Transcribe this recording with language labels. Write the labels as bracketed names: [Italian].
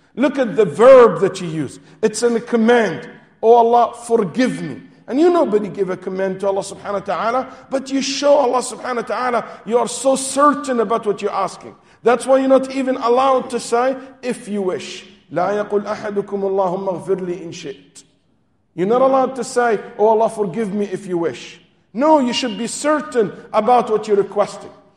[English] Look at the verb that you use. It's in a command. Oh Allah, forgive me. And you nobody give a command to Allah subhanahu wa ta'ala, but you show Allah subhanahu wa ta'ala you are so certain about what you're asking. That's why you're not even allowed to say, if you wish. [Arabic] لا يقول أحدكم اللهم اغفر لي إن شئت. [English] You're not allowed to say, oh Allah, forgive me if you wish. No, you should be certain about what you're requesting.